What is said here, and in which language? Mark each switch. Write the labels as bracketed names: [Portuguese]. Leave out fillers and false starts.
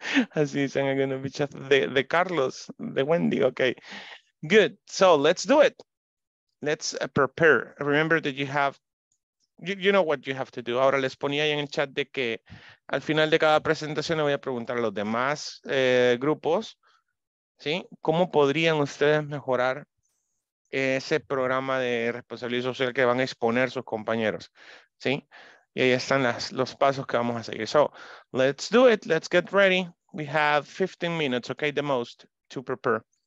[Spanish] Así dicen en el chat de Carlos, de Wendy. [English] Okay. Good. So let's do it. Let's prepare. Remember that you have, you know what you have to do. [Spanish] Ahora les ponía ahí en el chat de que al final de cada presentación le voy a preguntar a los demás grupos, ¿sí? ¿Cómo podrían ustedes mejorar ese programa de responsabilidad social que van a exponer sus compañeros? ¿Sí? Y ahí están los pasos que vamos a seguir. [English] So, let's do it. Let's get ready. We have 15 minutes, okay, the most, to prepare.